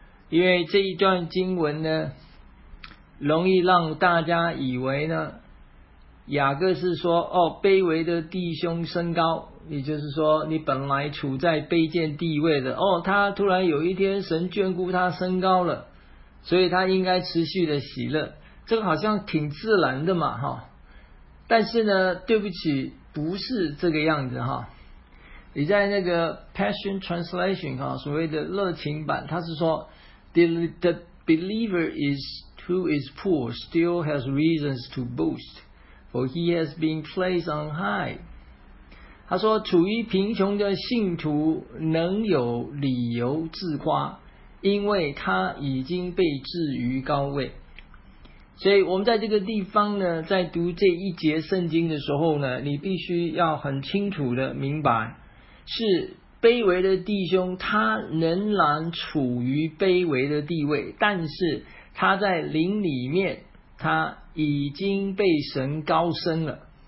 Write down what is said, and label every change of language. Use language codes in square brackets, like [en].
[zh] 因为这一段经文呢容易让大家以为呢雅各是说哦，卑微的弟兄升高，也就是说你本来处在卑贱地位的哦，他突然有一天神眷顾他升高了，所以他应该持续的喜乐，这个好像挺自然的嘛哈。但是呢对不起，不是这个样子哈。你在那个 [en] Passion Translation 哈， [zh] 所谓的热情版，他是说 [en] The believer is who is poor still has reasons to boast for he has been placed on high。 [zh] 他说处于贫穷的信徒能有理由自夸，因为他已经被置于高位。所以我们在这个地方呢，在读这一节圣经的时候呢，你必须要很清楚的明白，是卑微的弟兄他仍然处于卑微的地位，但是他在灵里面他已经被神高升了。